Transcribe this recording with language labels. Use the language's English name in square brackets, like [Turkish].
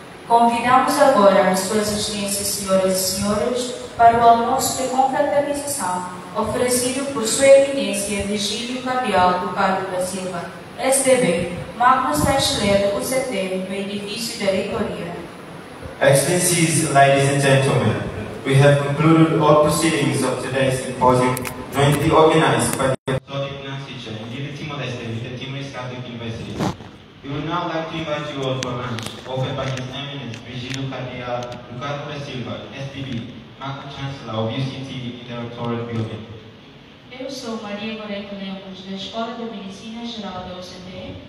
[Portuguese] Convidamos agora as suas excelências, senhoras e senhores, para o almoço de confraternização oferecido por sua eminência Virgílio Cabral do Carlos da Silva, SDB, Magnus Bachelet, UCT, no edifício da reitoria. [English] Excellencies, ladies and gentlemen, we have concluded all proceedings of today's symposium jointly organized by the Consortium Nancy-Chan and the Timor-Leste with the Timorese Catholic University. We would now like to invite you all for lunch, offered by His Eminence Virgilio Cardeal, Ricardo da Silva, SDB, Marco Chancellor of UCT in the Rectorate Building. [Portuguese] Eu sou Maria Moreto Lemos, da Escola de Medicina Geral da UCT.